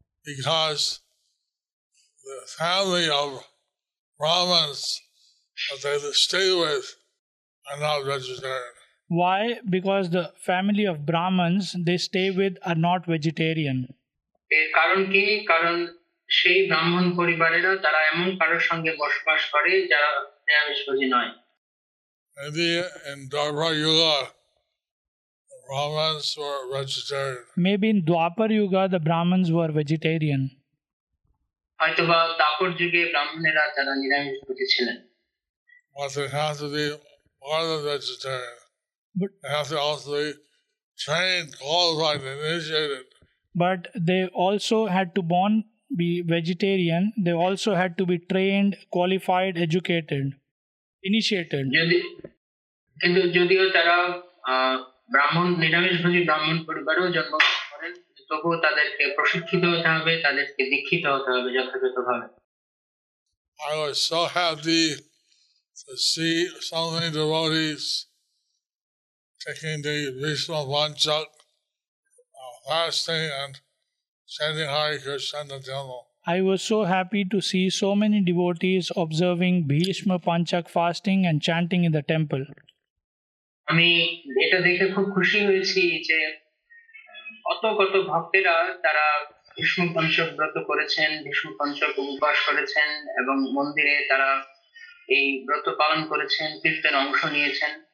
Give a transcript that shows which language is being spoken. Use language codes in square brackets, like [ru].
[en] Because the family of Brahmins that they stay with are not vegetarian. Why? Because the family of Brahmins they stay with are not vegetarian. [bn] এর কারণ কি? কারণ সেই ব্রাহ্মণ পরিবারেরা তারা এমন কারোর সঙ্গে বসবাস করে যারা নিরামিষভোজী নয়। [en] Brahmins were vegetarian. Maybe in Dwapar Yuga the Brahmins were vegetarian. [bn] হয়তোবা দ্বাপর যুগে ব্রাহ্মণেরা তারা নিরামিষভোজী ছিলেন। [en] But they have to be more than vegetarian. They have to also be trained, qualified, initiated. But they also had to born be vegetarian. They also had to be trained, qualified, educated, initiated. [bn] কিন্তু যদিও তারা ব্রাহ্মণ নিরামিষভোজী ব্রাহ্মণ পরিবারেও জন্মগ্রহণ করেন, তবুও তাদেরকে প্রশিক্ষিত হতে হবে, তাদেরকে দীক্ষিত হতে হবে যথাযথভাবে। [en] I was so happy to see so many devotees taking the Vishma Panchak. Fasting and chanting Hare Krishna Dhyana. I was so happy to see so many devotees observing Bhishma Panchak fasting and chanting in the temple. [bn] আমি এটা দেখে খুব খুশি হয়েছি যে অত কত ভক্তেরা তারা ভীষ্ম পঞ্চক ব্রত করেছেন, ভীষ্ম পঞ্চক উপবাস করেছেন এবং মন্দিরে তারা এই ব্রত পালন করেছেন, কীর্তনে অংশ নিয়েছেন।